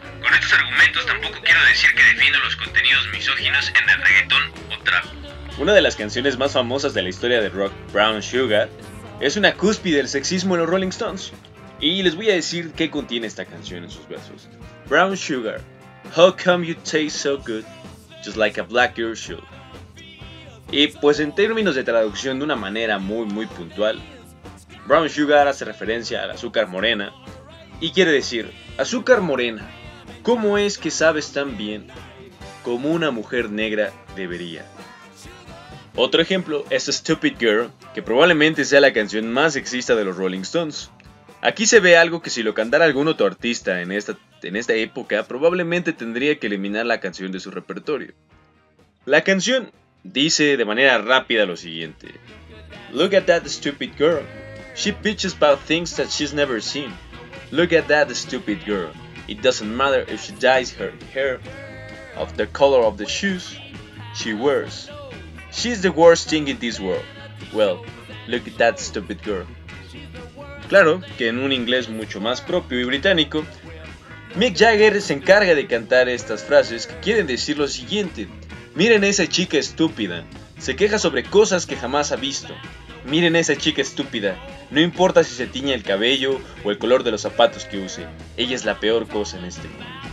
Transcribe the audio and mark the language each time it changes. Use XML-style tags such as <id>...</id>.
<es>Con estos argumentos tampoco quiero decir que defiendo los contenidos misóginos en el reggaetón o trap. Una de las canciones más famosas de la historia del rock, Brown Sugar, es una cúspide del sexismo en los Rolling Stones. Y les voy a decir qué contiene esta canción en sus versos. Brown Sugar.</es> <en>How come you taste so good, just like a black girl should?</en> <es>Y pues en términos de traducción de una manera muy muy puntual, brown sugar hace referencia al azúcar morena y quiere decir, azúcar morena, ¿cómo es que sabes tan bien como una mujer negra debería? Otro ejemplo es Stupid Girl, que probablemente sea la canción más sexista de los Rolling Stones. Aquí se ve algo que si lo cantara algún otro artista en esta época, probablemente tendría que eliminar la canción de su repertorio. La canción dice de manera rápida lo siguiente.</es> <en>Look at that stupid girl. She bitches about things that she's never seen. Look at that stupid girl. It doesn't matter if she dyes her hair of the color of the shoes she wears. She's the worst thing in this world. Well, look at that stupid girl.</en> <es>Claro que en un inglés mucho más propio y británico, Mick Jagger se encarga de cantar estas frases que quieren decir lo siguiente. Miren a esa chica estúpida, se queja sobre cosas que jamás ha visto. Miren a esa chica estúpida, no importa si se tiñe el cabello o el color de los zapatos que use, ella es la peor cosa en este mundo.</es>